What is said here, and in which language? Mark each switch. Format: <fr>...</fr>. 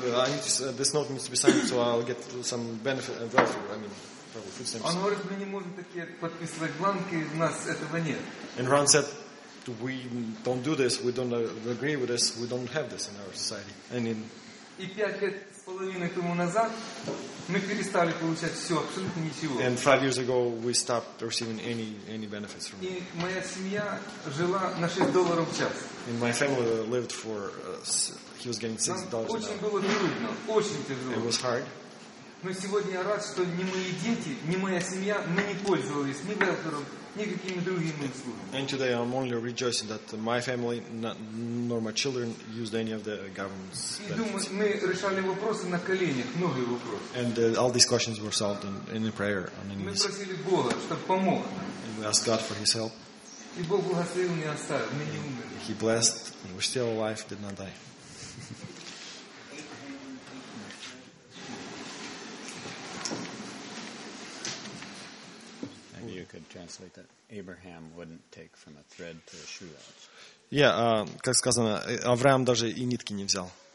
<en>I need to, this note needs to be signed, so I'll get some benefit and welfare. I mean, probably food stamps. And Round said, we don't do this, we don't agree with this, we don't have this in our society. And in</en> <ru>5.5 years тому назад мы перестали получать все, абсолютно ничего.</ru> <en>And 5 years ago we stopped receiving any benefits from.</en> <ru>И моя семья жила на $6 в час.</ru> <en>And my family lived for he was getting $6 an hour.</en> <ru>Очень было трудно, очень тяжело.</ru> <en>It was hard.</en> <ru>Но сегодня я рад, что ни мои дети, ни моя семья, мы не пользовались ни welfare.</ru> <en>And today I'm only rejoicing that my family, not, nor my children, used any of the government's benefits. And all these questions were solved in prayer on the knees. And we asked God for His help.</en> <ru>И Бог благословил, не оставил, мы не умерли.</ru> <en>He blessed, we're still alive, did not die. You could translate that Abraham wouldn't take from a thread to a shoe latch.</en> <ru>Yeah, как сказано, Авраам даже и нитки не взял.</ru>